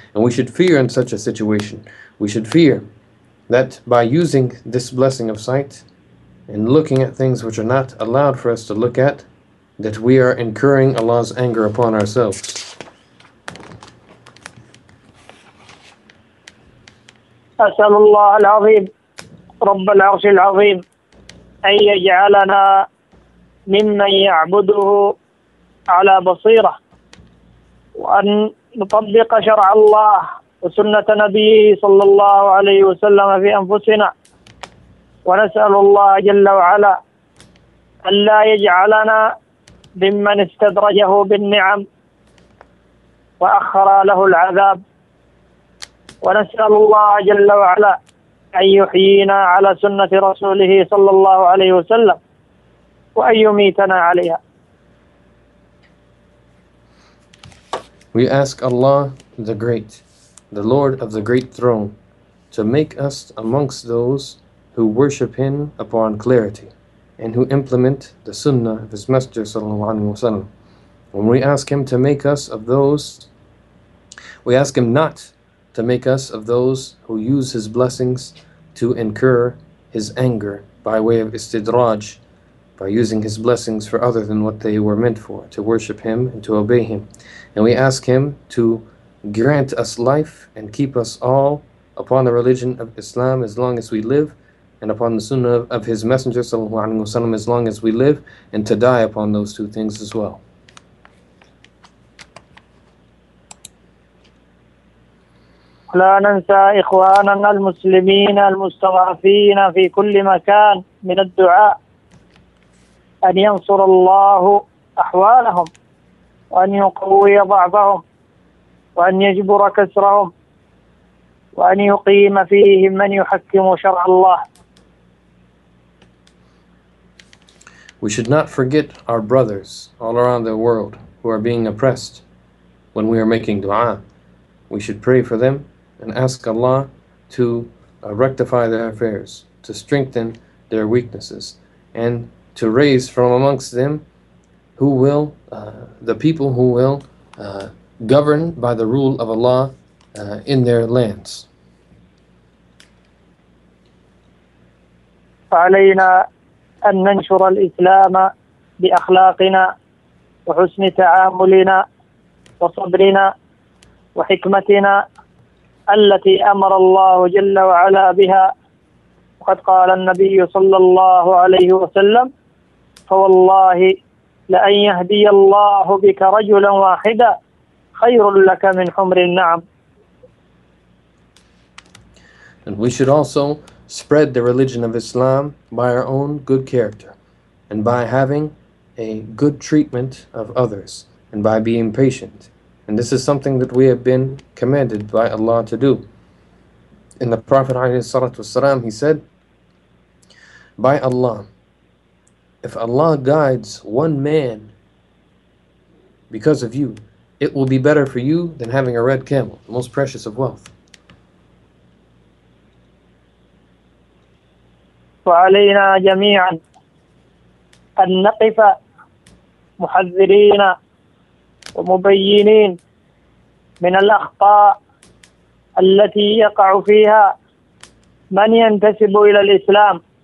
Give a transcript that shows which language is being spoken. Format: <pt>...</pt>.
<en>And we should fear in such a situation. We should fear that by using this blessing of sight and looking at things which are not allowed for us to look at, that we are incurring Allah's anger upon ourselves.</en> <ar>أسأل الله العظيم رب العرش العظيم أن يجعلنا ممن يعبده على بصيرة، وأن نطبق شرع الله وسنة نبيه صلى الله عليه وسلم في أنفسنا. ونسأل الله جل وعلا ألا يجعلنا ممن استدرجه بالنعم وأخر له العذاب. ونسأل الله جل وعلا أن يحيينا على سنة رسوله صلى الله عليه وسلم وأن يميتنا عليها.</ar> <en>We ask Allah the Great, the Lord of the Great Throne, to make us amongst those who worship Him upon clarity and who implement the Sunnah of His Messenger sallallahu alaihi wasallam. When we ask Him to make us of those, we ask Him not to make us of those who use His blessings to incur His anger by way of istidraj, by using His blessings for other than what they were meant for, to worship Him and to obey Him. And we ask Him to grant us life and keep us all upon the religion of Islam as long as we live, and upon the Sunnah of His Messenger sallallahu alaihi wasallam as long as we live, and to die upon those two things as well.</en> <ar>لا ننسى إخواننا المسلمين المستضعفين في كل مكان من الدعاء أن ينصر الله أحوالهم وأن يقوي ضعفهم وأن يجبر كسرهم وأن يقيم فيهم من يحكم شرع الله.</ar> <en>We should not forget our brothers all around the world who are being oppressed. When we are making dua, we should pray for them and ask Allah to rectify their affairs, to strengthen their weaknesses, and to raise from amongst them the people who will govern by the rule of Allah in their lands.</en> <ar>علينا أن ننشر الإسلام بأخلاقنا وحسن تعاملنا وصبرنا وحكمتنا التي أمر الله جل وعلا بها. وقد قال النبي صلى الله عليه وسلم: فوالله لأن يهدي الله بك رجلا واحدا خير لك من حمر النعم.</ar> <en>And we should also spread the religion of Islam by our own good character and by having a good treatment of others and by being patient. And this is something that we have been commanded by Allah to do. In the Prophet ﷺ, he said, by Allah, if Allah guides one man because of you, it will be better for you than having a red camel, the most precious of wealth.</en> <ar>وعلينا جميعا أن نقف محذرين ومبينين من الأخطاء التي يقع فيها من ينتسب إلى الإسلام</ar>